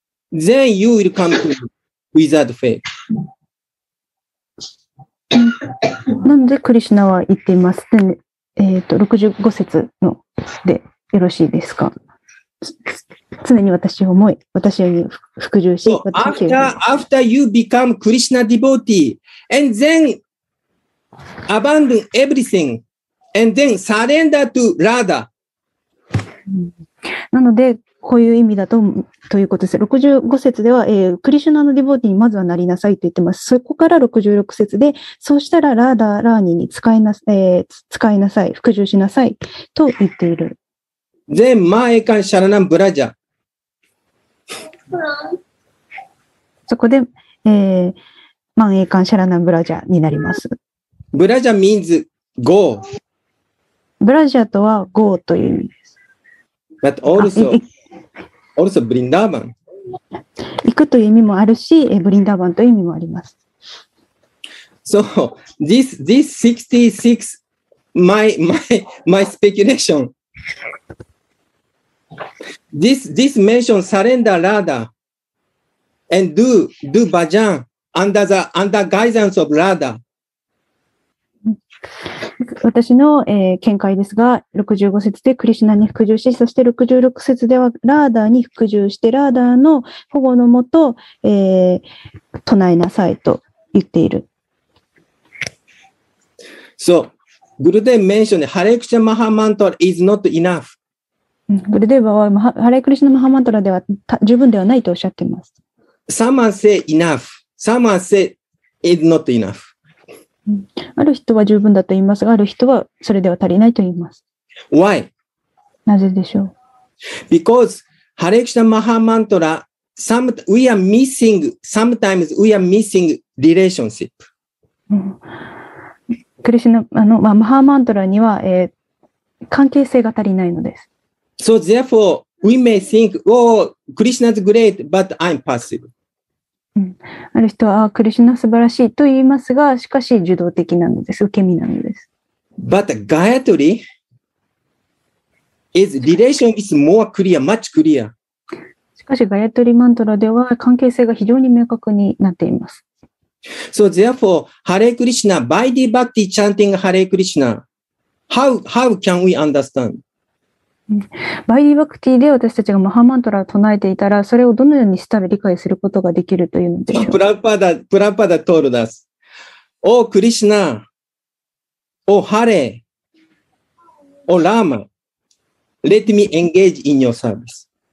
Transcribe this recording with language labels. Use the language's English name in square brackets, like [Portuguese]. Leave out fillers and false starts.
[English] Then you will come to me without faith. [Japanese] なんでクリシナは言っていますか、65節のでよろしいですか。常に私を思い、私に服従し、 [English] after you become Krishna devotee and then abandon everything. And then surrender to Radha. [Japanese] なので、こういう意味だと、ということです。65節では、クリシュナのディボーティにまずはなりなさいと言ってます。そこから66節で、そうしたらラーダ・ラーニに使いなさい、服従しなさいと言っている。 [English] Then, [Sanskrit] Ma Ekan Sharanam Braja. [Japanese] そこで、 [Sanskrit] Ma Ekan Sharanam Braja [Japanese] になります。 [English] Braja means go. [Japanese] ブラジャとはゴーという意味です。 [English] But also ブリンダーバン。 [Japanese] 行くという意味もあるし、ブリンダーバンという意味もあります。 [English] So, this 66, my speculation. This mention surrender Radha and do bhajan under guidance of Radha. [Japanese] 私の、見解ですが、65節でクリシナに服従し、そして66節ではラーダーに服従して、ラーダーの保護のもと、唱えなさいと言っている。 [English] So, Gurudev mentioned Hare Krishna Mahamantra is not enough. [Japanese] Gurudev は、Hare Krishna Mahamantra では十分ではないとおっしゃっています。 [English] Someone say enough. Someone say is not enough. [Japanese] ある人は十分だと言いますが、ある人はそれでは足りないと言います。 [English] Why? [Japanese] なぜでしょう。 [English] Because Hare Krishna Mahamantra, sometimes we are missing relationship. [Japanese] クリシナ、マハマントラには、関係性が足りないのです。 [English] So therefore, we may think, oh, Krishna is great, but I'm passive. [Japanese] ある人はクリシュナ素晴らしいと言いますが、しかし受動的なのです、受け身なのです。 [English] But Gayatri is relation is more clear, much clearer. [Japanese] しかしガヤトリマントラでは関係性が非常に明確になっています。 [English] So therefore Hare Krishna by the Bhakti chanting Hare Krishna How can we understand? [Japanese] バイディバクティで私たちがマハマントラを唱えていたら、それをどのようにしたら理解することができるというのでしょう。 [English] プラパダ told us, O Krishna, O Hare, O Rama, let me engage in your service.